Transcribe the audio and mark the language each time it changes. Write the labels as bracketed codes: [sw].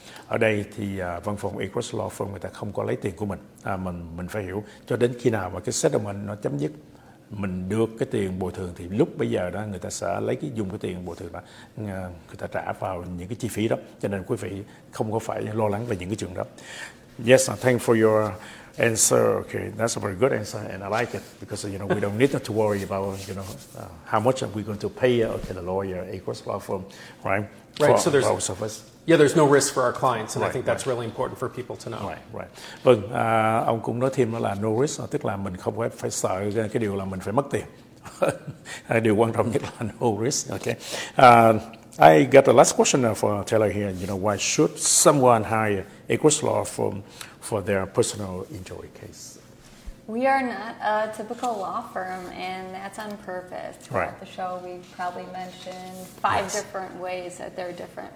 [vi] Ở đây thì văn phòng Agruss Law Firm người ta không có lấy tiền của mình. Mình phải hiểu cho đến khi nào mà cái settlement nó chấm dứt, mình được cái tiền bồi thường, thì lúc bây giờ đó người ta sẽ lấy cái dùng cái tiền bồi thường đó người ta trả vào những cái chi phí đó, cho nên quý vị không có phải lo lắng về những cái chuyện đó. [en] Yes, thank you for your answer. Okay, that's a very good answer and I like it, because you know we don't need to worry about, you know, how much are we going to pay the lawyer, Agruss law firm, right? So there's our service. Yeah, there's no risk for our clients, and I think that's really important for people to know. Right. [vi] Vâng, ông cũng nói thêm là no risk, tức là mình không phải sợ cái điều là mình phải mất tiền. Điều quan trọng nhất là no risk. [en] Okay. I got the last question for Taylor here. You know, why should someone hire Agruss law firm for their personal injury case? We are not a typical law firm, and that's on purpose. Throughout the show, we've probably mentioned five different ways that they're different.